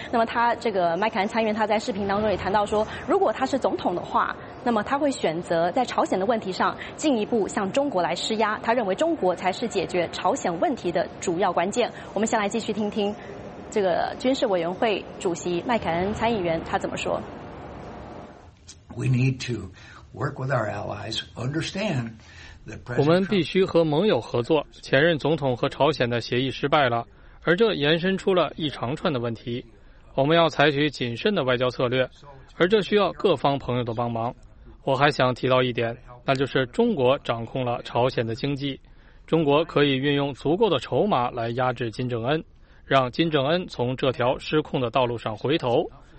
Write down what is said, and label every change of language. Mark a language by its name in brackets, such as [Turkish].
[Chinese] 那么他这个麦凯恩参议员他在视频当中也谈到说，如果他是总统的话，那么他会选择在朝鲜的问题上进一步向中国来施压，他认为中国才是解决朝鲜问题的主要关键。我们先来继续听听这个军事委员会主席麦凯恩参议员他怎么说。 [English] We need to work with our allies, understand. [Chinese] 我们必须和盟友合作，前任总统和朝鲜的协议失败了，而这延伸出了一长串的问题。我们要采取谨慎的外交策略，而这需要各方朋友的帮忙。我还想提到一点，那就是中国掌控了朝鲜的经济，中国可以运用足够的筹码来压制金正恩，让金正恩从这条失控的道路上回头。